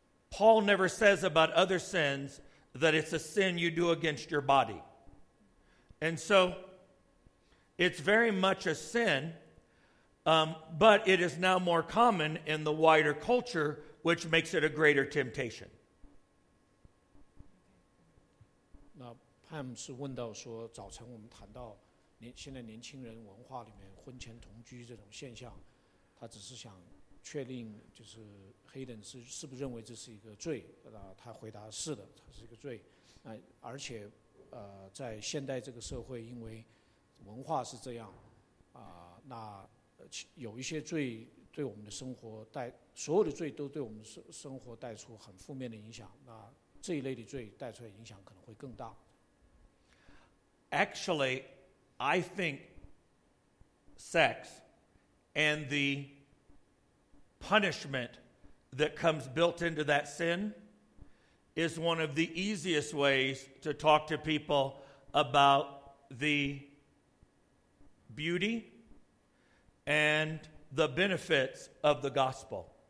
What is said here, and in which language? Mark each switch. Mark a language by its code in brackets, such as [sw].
[en] Paul never says about other sins that it's a sin you do against your body. And so, it's very much a sin, but it is now more common in the wider culture, which makes it a greater temptation. [zh] 是问到说，早晨我们谈到现在年轻人文化里面婚前同居这种现象，他只是想确定，就是Hayden是不是认为这是一个罪？他回答是的，它是一个罪。而且在现代这个社会，因为文化是这样那有一些罪对我们的生活所有的罪都对我们生活带出很负面的影响，那这一类的罪带出来影响可能会更大。 [en] Actually, I think sex and the punishment that comes built into that sin is one of the easiest ways to talk to people about the beauty and the benefits of the gospel.